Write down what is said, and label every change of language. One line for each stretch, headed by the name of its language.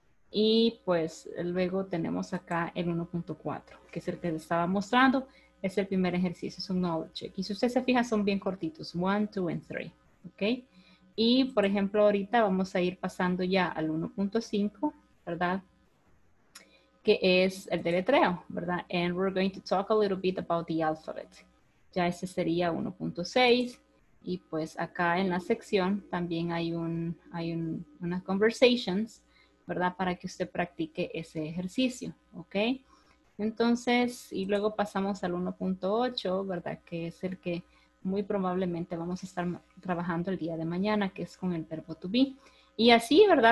Spanish: Y pues luego tenemos acá el 1.4, que es el que les estaba mostrando. Es el primer ejercicio, es un knowledge check. Y si usted se fija, son bien cortitos, 1, 2 and 3, ¿ok? Y por ejemplo, ahorita vamos a ir pasando ya al 1.5, ¿verdad? Que es el deletreo, ¿verdad?
English: And we're going to talk a little bit about the alphabet.
Spanish: Ya ese sería 1.6. Y pues acá en la sección también hay unas conversations, ¿verdad? Para que usted practique ese ejercicio, ¿ok? Entonces, y luego pasamos al 1.8, ¿verdad? Que es el que muy probablemente vamos a estar trabajando el día de mañana, que es con el verbo to be. Y así, ¿verdad?